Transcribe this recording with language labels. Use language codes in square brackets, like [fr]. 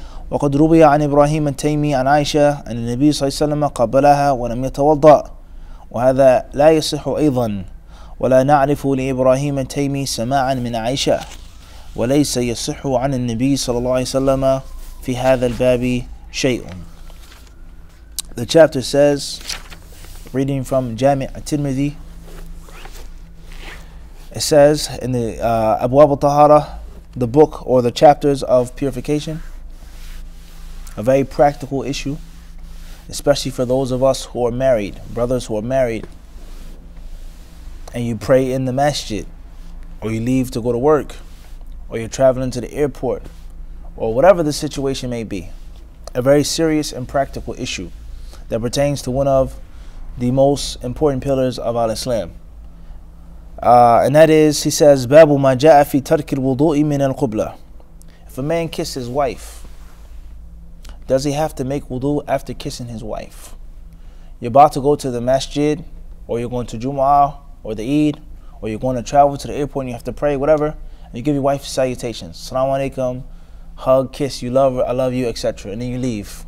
[ar] وقد روي عن إبراهيم التيمي عن عائشة أن النبي صلى الله عليه وسلم قبلها ولم يتوضأ وهذا لا يصح أيضا ولا نعرف لإبراهيم التيمي سماعا من عائشة وليس يصح عن النبي صلى الله عليه وسلم في هذا الباب شيء. [en] The chapter says, reading from Jami' al-Tirmidhi, it says in the Abwab al-Tahara, the book or the chapters of purification, a very practical issue, especially for those of us who are married, brothers who are married, and you pray in the masjid, or you leave to go to work, or you're traveling to the airport, or whatever the situation may be, a very serious and practical issue that pertains to one of the most important pillars of al-Islam. And that is, he says, [ar] بَابُ مَا جَاءَ فِي تَرْكِ الْوُضُوءِ مِنَ الْقُبْلَةِ. [en] If a man kisses his wife, does he have to make wudu after kissing his wife? You're about to go to the masjid, or you're going to Jumu'ah, or the Eid, or you're going to travel to the airport and you have to pray, whatever, and you give your wife salutations. Salaamu alaikum, hug, kiss, you love her, I love you, etc. And then you leave.